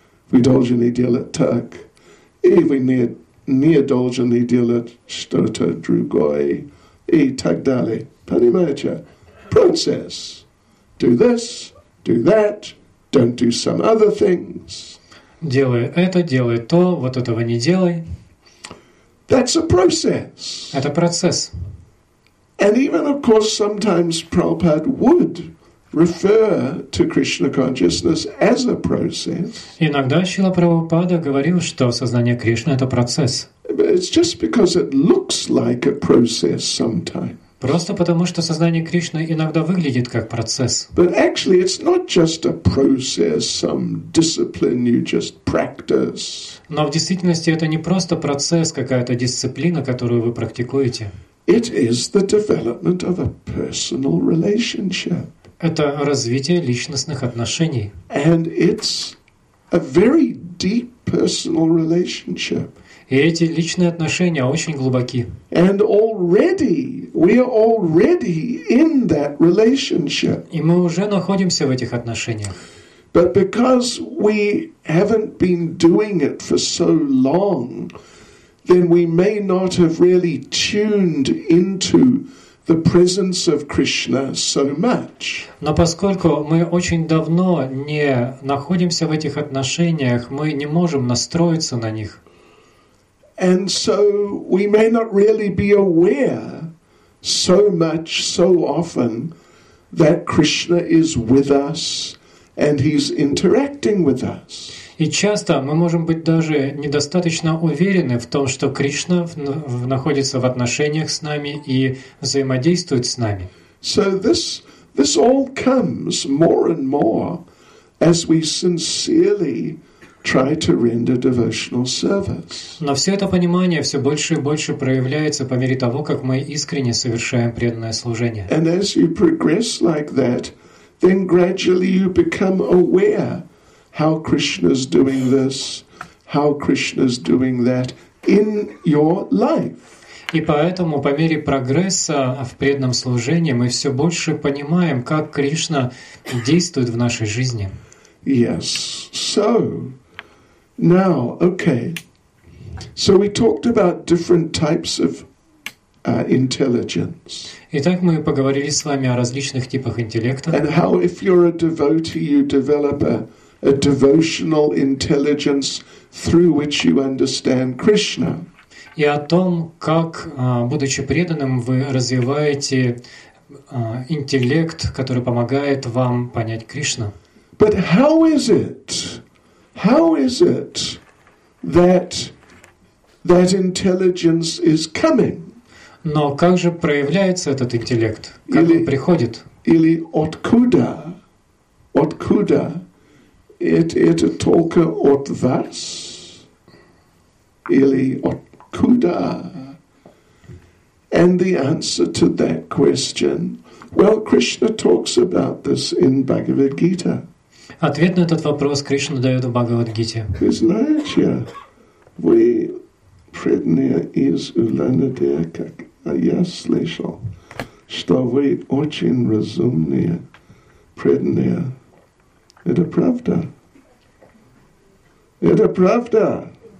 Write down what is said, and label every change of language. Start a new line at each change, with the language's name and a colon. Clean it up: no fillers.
Russian: Мы должны делать так, и мы не должны делать что-то другое, и так далее. Понимаете? Процесс.
English: Do this, do that, don't do some other things.
Russian: Делай это, делай то, вот этого не делай.
English: That's a process.
Russian: Это процесс.
English: And even, of course, sometimes Prabhupada would refer to Krishna consciousness as a process.
Russian: Иногда Шрила Прабхупада говорил, что сознание Кришны — это процесс.
English: But it's just because it looks like a process sometimes.
Russian: Просто потому, что сознание Кришны иногда выглядит как процесс.
English: But actually, it's not just a process, some discipline you just practice.
Russian: Но в действительности это не просто процесс, какая-то дисциплина, которую вы практикуете.
English: It is the development of a personal relationship.
Russian: Это развитие личностных отношений.
English: And it's a very deep personal relationship.
Russian: И эти личные отношения очень глубоки.
English: And already, we are already in that relationship.
Russian: И мы уже находимся в этих отношениях.
English: But because we haven't been doing it for so long, then we may not have really tuned into the presence of Krishna so much.
Russian: Но поскольку мы очень давно не находимся в этих отношениях, мы не можем настроиться на них.
English: And so we may not really be aware so much, so often, that Krishna is with us and he's interacting with us.
Russian: И часто мы можем быть даже недостаточно уверены в том, что Кришна находится в отношениях с нами и взаимодействует с нами.
English: So this all comes more and more as we sincerely try to render devotional service.
Russian: Но все это понимание все больше и больше проявляется по мере того, как мы искренне совершаем преданное служение.
English: And as you progress like that, then gradually you become aware how Krishna's doing this, how Krishna's doing that in your life.
Russian: И поэтому по мере прогресса в преданном служении мы все больше понимаем, как Кришна действует в нашей жизни.
English: Yes. So now, okay. So we talked about different types of intelligence.
Russian: Итак, мы поговорили с вами о различных типах интеллекта.
English: And how, if you're a devotee, you develop a devotional intelligence through which you understand Krishna.
Russian: И о том, как, будучи преданным, вы развиваете интеллект, который помогает вам понять Кришну.
English: But how is it that intelligence is coming?
Russian: Но как же проявляется этот интеллект? Как он приходит? Или откуда это только от вас? Или от Kuda?
English: And the answer to that question, well, Krishna talks about this in Bhagavad Gita.
Russian: Ответ на этот вопрос Кришна дает в Бхагавад Гите. Вы знаете, вы преданные из Улан-Удэ, как я слышал, что вы очень разумные преданные. Это правда? Это правда?